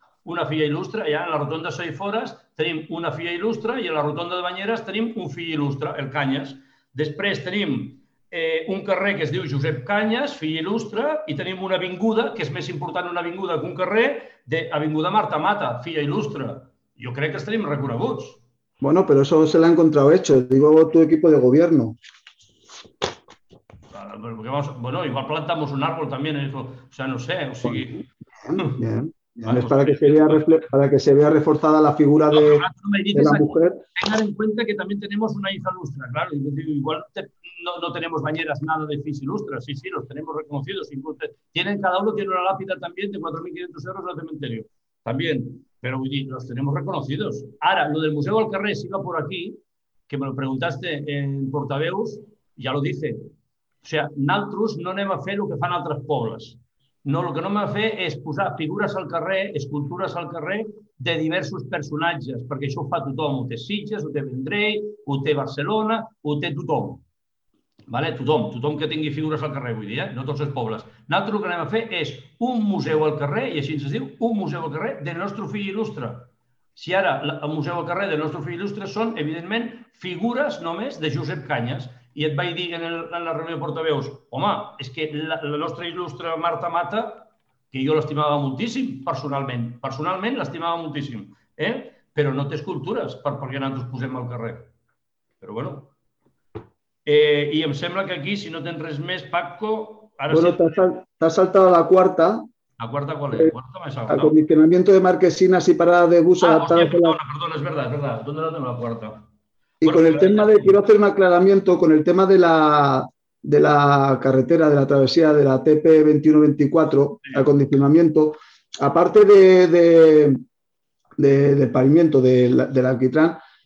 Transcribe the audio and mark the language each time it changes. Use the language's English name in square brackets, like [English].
[Catalan] Una filla il·lustre, ja en la rotonda de Saifores tenim una filla il·lustre i en la rotonda de Banyeres tenim un fill il·lustre, el Canyes. Després tenim un carrer que es diu Josep Canyes, fill il·lustre, i tenim una avinguda, que és més important una avinguda que un carrer, d'Avinguda Marta Mata, filla il·lustre. Jo crec que els tenim reconeguts. [Spanish] Bueno, pero eso se lo ha encontrado hecho, digo, tu equipo de gobierno. Bueno, igual plantamos un árbol también, o sea, no sé, o sigui... Bien. Es para que se vea reforzada la figura de la mujer. Tengan en cuenta que también tenemos una hija ilustre, claro, igual no tenemos bañeras nada de hijas ilustres, sí, los tenemos reconocidos. Cada uno tiene una lápida también de 4.500 euros en el cementerio. También, pero oye, los tenemos reconocidos. Ahora, lo del Museo del Carrer, si va por aquí, que me lo preguntaste en portaveus, ya lo dice. [Catalan] O sea, naltros no anem a fer el que fan altres pobles. No, el que no anem a fer és posar figures al carrer, escultures al carrer, de diversos personatges, perquè això ho fa tothom. Ho té Sitges, ho té Vendrell, ho té Barcelona, ho té tothom. Vale? Tothom que tingui figures al carrer, vull dir, no tots els pobles. Nosaltres el que anem a fer és un museu al carrer, i així ens diu, un museu al carrer del nostre fill il·lustre. Si ara el museu al carrer del nostre fill il·lustre són, evidentment, figures només de Josep Canyes. I et vaig dir en la reunió de portaveus, home, és que la nostra il·lustre Marta Mata, que jo l'estimava moltíssim personalment l'estimava moltíssim, eh? Però no té escultures perquè nosaltres posem al carrer. Però bueno. I em sembla que aquí, si no tens res més, Paco, ara sí. [Spanish] Bueno, te has saltado la cuarta. La cuarta, ¿cuál es? ¿Cuarta me he saltado? Acondicionamiento de marquesinas y paradas de bus Ah, adaptadas hostia, a la. perdona, es verdad. ¿Dónde la tengo la cuarta? Y Bueno, con el tema de, quiero sí, hacer un aclaramiento con el tema de la carretera, de la travesía de la TP-21-24, acondicionamiento, aparte de pavimento del alquitrán.